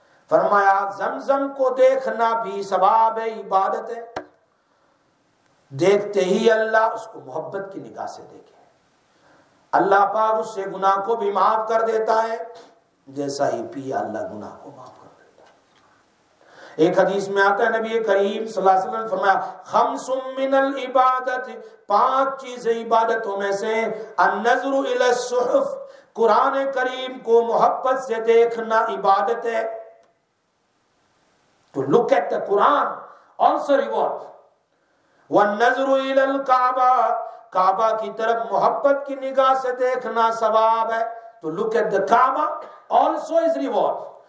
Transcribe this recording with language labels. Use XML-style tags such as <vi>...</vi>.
<ur>فرمایا زمزم کو دیکھنا بھی ثواب عبادت ہے دیکھتے ہی اللہ اس کو محبت کی نگاہ سے دیکھے اللہ پاک اس سے گناہ کو بھی معاف کر دیتا ہے جیسا ہی پیا اللہ گناہ کو معاف ایک حدیث میں آتا ہے نبی کریم صلی اللہ علیہ وسلم نے فرمایا</ur> <ar>خمس من العبادت</ar> <ur>پانچ چیزیں عبادتوں میں سے</ur> <ar>النظر الی الصحف</ar> <ur>قرآن کریم کو محبت سے دیکھنا عبادت ہے.</ur> <en>To look at the Quran also reward.</en> <ar>والنظر الی الکعبہ,</ar> <ur>کعبہ کی طرف محبت کی نگاہ سے دیکھنا ثواب ہے.</ur> <en>To look at the Kaaba also is reward.</en>